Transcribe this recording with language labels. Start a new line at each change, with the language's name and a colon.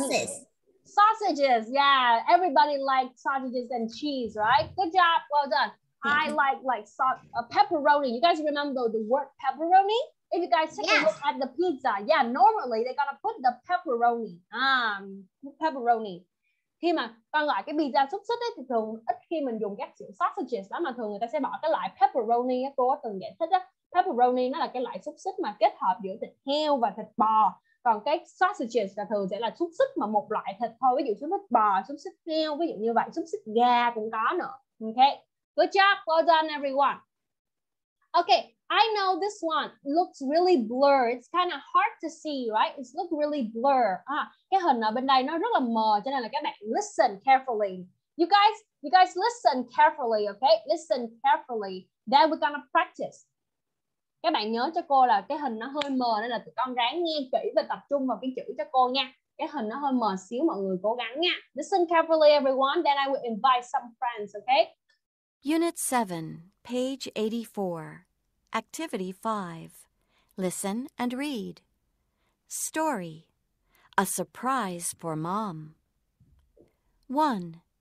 English: What's this? Sausages, yeah. Everybody likes sausages and cheese, right? Good job, well done. Yeah. I like pepperoni. You guys remember the word pepperoni? If you guys take a look at the pizza, yeah, normally they gotta put the pepperoni. Pepperoni.
Vietnamese: Khi mà con gọi cái pizza xúc xích ấy, thì thường ít khi mình dùng các kiểu sausages đó mà thường người ta sẽ bỏ cái loại pepperoni á. Cô từng giải thích á, pepperoni nó là cái loại xúc xích mà kết hợp giữa thịt heo và thịt bò. Còn cái sausages là thường sẽ là xúc xích mà một loại thịt thôi, ví dụ xúc xích bò, xúc xích heo, ví dụ như vậy, xúc xích gà cũng có nữa.
English: Okay, good job, well done everyone. Okay, I know this one looks really blurred, it's kind of hard to see, right? It looks really blurred.
Vietnamese: Cái hình ở bên đây nó rất là mờ, cho nên là các bạn
English: listen carefully. You guys listen carefully, okay? Listen carefully, then we're gonna practice.
Vietnamese: Các bạn nhớ cho cô là cái hình nó hơi mờ nên là tụi con ráng nghe kỹ và tập trung vào cái chữ cho cô nha. Cái hình nó hơi mờ xíu, mọi người cố gắng nha.
English: Listen carefully everyone, then I will invite some friends, okay? Unit 7, page 84. Activity 5. Listen and read. Story. A surprise for Mom. 1.